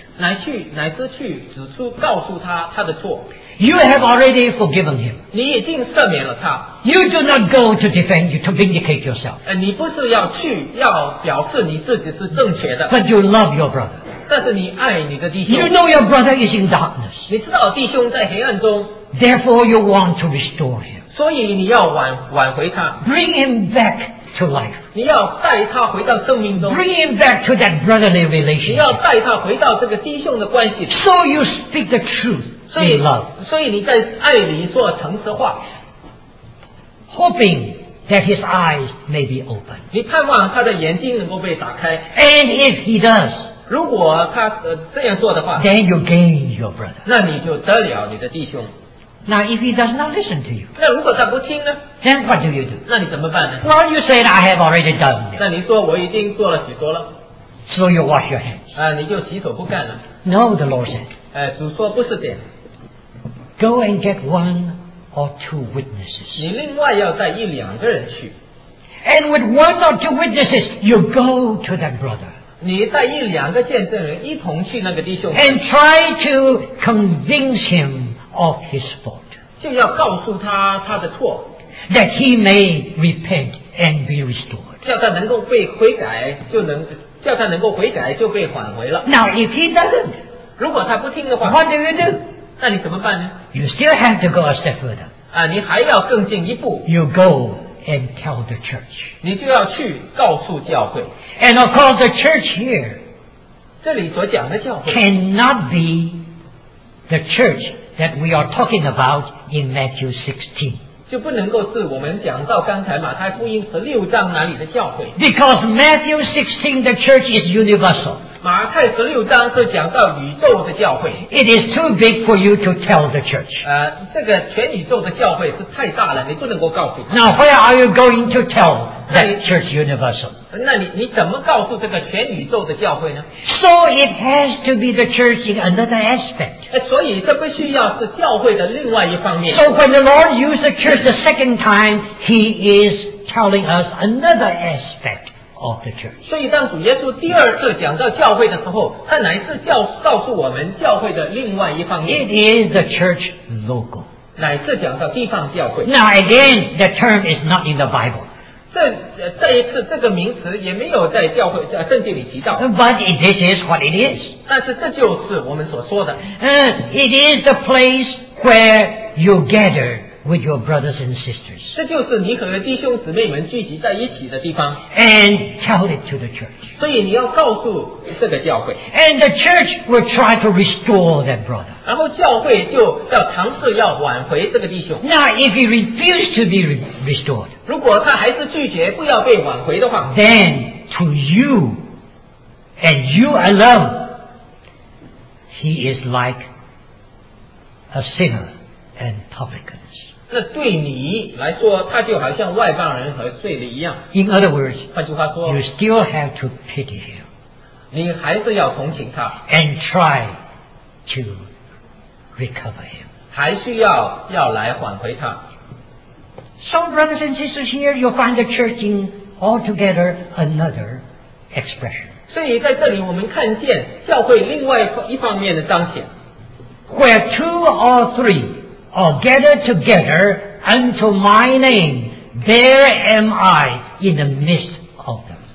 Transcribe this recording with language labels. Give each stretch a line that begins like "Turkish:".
Chinese: 乃至去指出告诉他的错。
English: You have already forgiven him.
Chinese: 你已经赦免了他。
English: You do not go to defend you, to vindicate yourself.
Chinese: 你不是要去要表示你自己是正确的。
English: But you love your brother.
Chinese: 但是你爱你的弟兄。
English: You know your brother is in darkness.
Chinese: 你知道弟兄在黑暗中。
English: Therefore you want to restore him.
Chinese: 所以你要挽回他。
English: Bring him back to life.
Chinese: 你要带他回到生命中。
English: Bring him back to that brotherly relationship.
Chinese: 你要带他回到这个弟兄的关系。
English: So you speak the truth.
Chinese: So, 你在爱里做诚实话，
English: hoping that his eyes may be opened.
Chinese: 你盼望他的眼睛能够被打开。
English: And if he does,
Chinese: 如果他这样做的话，
English: then you gain your brother.
Chinese: 那你就得了你的弟兄。
English: Now, if he does not listen to you,
Chinese: 那如果他不听呢？
English: Then what do you do?
Chinese: 那你怎么办呢？
English: Well, you said I have already done.
Chinese: 那你说我已经做了许多了。
English: So you wash your hands.
Chinese: 你就洗手不干了。
English: No, the Lord said.
Chinese: 主说不是的。
English: Go and get one or two witnesses.
Chinese: 你另外要带一两个人去。
English: And with one or two witnesses, you go to that brother.
Chinese: 你带一两个见证人一同去那个弟兄。
English: And try to convince him of his fault.
Chinese: 就要告诉他的错。
English: That he may repent and be restored.
Chinese: 叫他能够被悔改，叫他能够悔改就被挽回了。
English: Now if he doesn't,
Chinese: 如果他不听的话，
English: what do you do?
Chinese: 那你怎么办呢？
English: You still have to go a step further.
Chinese: 你还要更进一步。
English: You go and tell the church.
Chinese: 你就要去告诉教会。
English: And of course the church here,
Chinese: 这里所讲的教会，
English: cannot be the church that we are talking about in Matthew 16.
Chinese: 就不能够是我们讲到刚才马太福音十六章哪里的教会。
English: Because Matthew 16, the church is universal.
Chinese: 马太十六章是讲到宇宙的教会。
English: It is too big for you to tell the church.
Chinese: 这个全宇宙的教会是太大了，你不能够告诉他。
English: Now where are you going to tell that church universal?
Chinese: 那你怎么告诉这个全宇宙的教会呢？
English: So it has to be the church in another aspect.
Chinese: 所以这必须要是教会的另外一方面。
English: So when the Lord used the church the second time, he is telling us another aspect. Of the church.
Chinese: 所以当主耶稣第二次讲到教会的时候，他乃是告诉我们教会的另外一方面。
English: It is the church logo.
Chinese: 乃是讲到地方教会。
English: Now again, the term is not in the Bible.
Chinese: 这一次这个名词也没有在教会圣经里提到。
English: But this is what it is.
Chinese: 但是这就是我们所说的。
English: It is the place where you gather. With your brothers and sisters.
Chinese: 这就是你和弟兄姊妹们聚集在一起的地方。
English: And tell it to the church.
Chinese: 所以你要告诉这个教会。
English: And the church will try to restore that brother.
Chinese: 然后教会就要尝试要挽回这个弟兄。
English: Now if he refuses to be restored.
Chinese: 如果他还是拒绝不要被挽回的话。
English: Then to you and you alone, he is like a sinner and publican.
Chinese: 那对你来说，他就好像外邦人和罪人一样。
English: In other words,
Chinese: 换句话说，
English: you still have to pity him.
Chinese: 你还是要同情他。
English: And try to recover him.
Chinese: 还需要来挽回他。
English: Some brothers and sisters here, you find the church in altogether another expression.
Chinese: 所以在这里我们看见教会另外一方面的彰显。
English: Where two or three. Or gather together unto my name, there am I in the midst of them.